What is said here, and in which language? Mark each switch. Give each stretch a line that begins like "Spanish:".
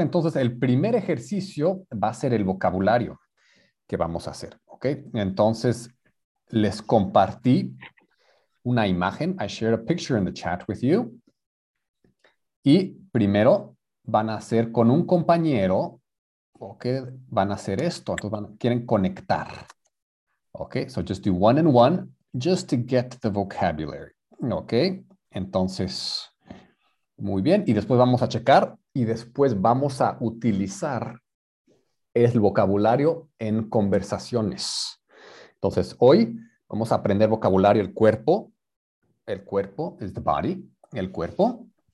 Spanish: Entonces el primer ejercicio va a ser el vocabulario que vamos a hacer. Ok, entonces les compartí una imagen.
English: I shared a picture in the chat with you.
Spanish: Y primero van a hacer con un compañero. Ok, van a hacer esto. Entonces quieren conectar.
English: Ok, so just do one and one just to get the vocabulary.
Spanish: Ok, entonces. Muy bien, y después vamos a checar y después vamos a utilizar el vocabulario en conversaciones. Entonces, hoy vamos a aprender vocabulario el cuerpo. El cuerpo es
English: the body,
Spanish: el cuerpo.